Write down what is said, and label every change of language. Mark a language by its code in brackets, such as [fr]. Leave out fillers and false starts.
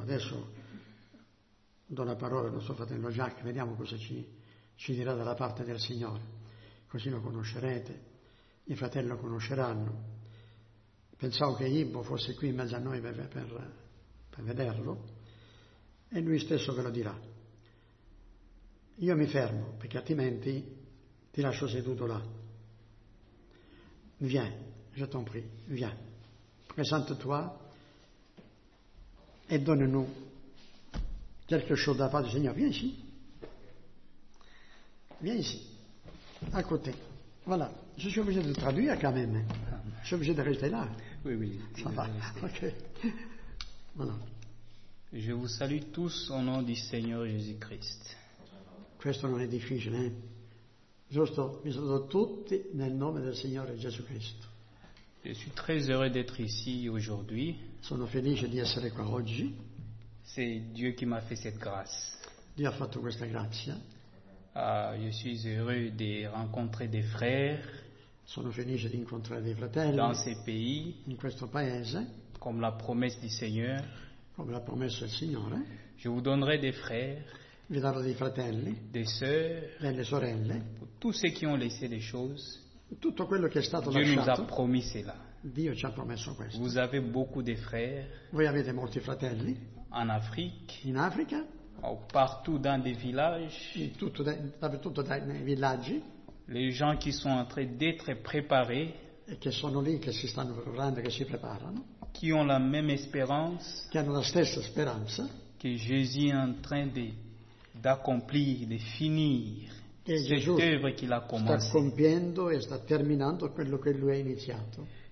[it] Adesso do la parola al nostro fratello Jacques, vediamo cosa ci dirà dalla parte del Signore, così lo conoscerete, i fratelli lo conosceranno. Pensavo che Ibo fosse qui in mezzo a noi per vederlo, e lui stesso ve lo dirà. Io mi fermo perché altrimenti ti lascio seduto là. [fr] Viens, je t'en prie, viens. Présente-toi et donne-nous quelque chose [it] da fare, Signore. [fr] Viens ici. À côté. Voilà. Je suis obligé de traduire quand même. Je suis obligé de rester là. Oui, oui. Ça va. Ok. Voilà. Je vous salue tous au nom du Seigneur Jésus-Christ. [it] Questo non è difficile, hein? Giusto, mi saluto tutti nel nome del Signore Gesù Cristo. [fr] Je suis très heureux d'être ici aujourd'hui. [it] Sono felice di essere qua oggi. [fr] C'est Dieu qui m'a fait cette grâce. [it] Dio ha fatto questa grazia. [fr] Je suis heureux de rencontrer des frères. [it] Sono felice di incontrare dei fratelli. [fr] Dans ces pays. [it] In questo paese. [fr] Comme la promesse du Seigneur. [it] Come la promessa del Signore. [fr] Je vous donnerai des frères. [it] Vi darò dei fratelli, [fr] des soeurs, [it] delle sorelle, [fr] tous ceux qui ont laissé les choses, [it] tutto quello che è stato [fr] Dieu [it] lasciato, [fr] nous a promis cela. [it] Dio ci ha promesso questo. [fr] Vous avez beaucoup de frères, [it] voi avete molti fratelli, [fr] en Afrique, [it] in Africa, [fr] partout dans des villages, [it] dappertutto nei villaggi, [fr] les gens qui sont en train d'être préparés, [it] e che sono lì, che si stanno preparando, che si preparano, [fr] qui ont la même espérance, [it] che hanno la stessa speranza, che Gesù è [fr] in train de d'accomplir, de finir cette œuvre qu'il a commencé. [it] Sta compiendo e sta terminando quello che lui ha iniziato.